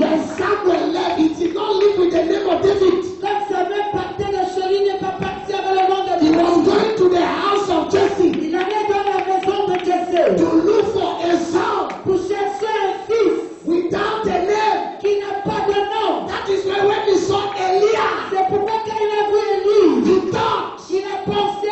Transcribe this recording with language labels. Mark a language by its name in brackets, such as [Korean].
[English] When Samuel left, he did not live with the name of David. [French] Quand Samuel partait de Shéli, n'est pas parti avec le nom de David. [English] He was going to the house of Jesse. [French] Il allait dans la maison de Jesse. [English] To look for a son. [French] Pour chercher un fils. [English] Without the name. [French] Qui n'a pas de nom. [English] That is why when he saw Elia. [French] C'est pourquoi quand il a vu Elie. [English] He thought. [French] Il a pensé.